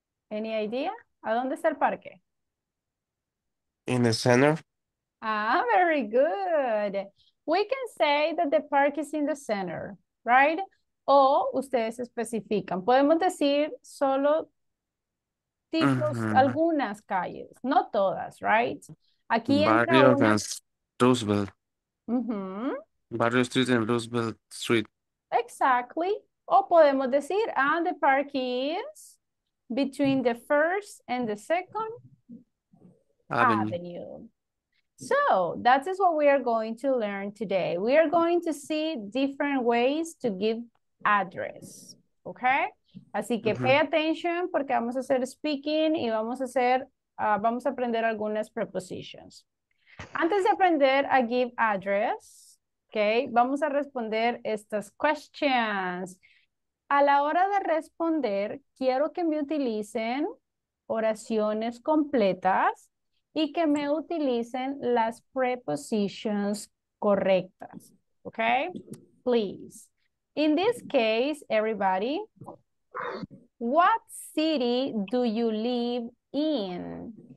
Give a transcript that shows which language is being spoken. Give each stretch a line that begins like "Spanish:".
English: Any idea?
Spanish: ¿A dónde está el parque?
English: In the center. Ah, very good. We can say that the park is in the center, right?
Spanish: O ustedes especifican. Podemos decir solo tipos, algunas calles, no todas, right? Aquí entra
English: Barrio and Roosevelt. Barrio Street and Roosevelt Street. Exactly.
Spanish: O podemos decir,
English: and the park is between the first and the second avenue. So that is what we are going to learn today. We are going to see different ways to give address. Okay?
Spanish: Así que
English: pay attention
Spanish: porque vamos a hacer speaking y vamos a hacer, vamos a aprender algunas prepositions. Antes de aprender a
English: give address,
Spanish: okay, vamos a responder estas questions. A la hora de responder, quiero que me utilicen oraciones completas y que me utilicen las prepositions correctas.
English: Okay? Please. In this case, everybody, what city do you live in?